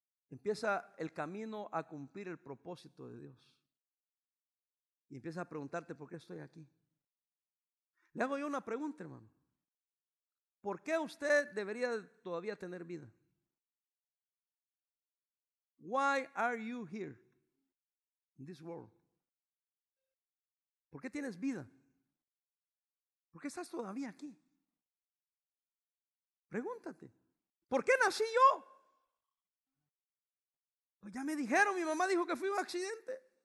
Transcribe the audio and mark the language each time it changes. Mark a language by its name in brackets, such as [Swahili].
[Spanish] Empieza el camino a cumplir el propósito de Dios. Y empieza a preguntarte, ¿por qué estoy aquí? Le hago yo una pregunta, hermano. ¿Por qué usted debería todavía tener vida? [English] Why are you here in this world? [Spanish] ¿Por qué tienes vida? ¿Por qué estás todavía aquí? Pregúntate, ¿por qué nací yo? Pues ya me dijeron, mi mamá dijo que fui un accidente.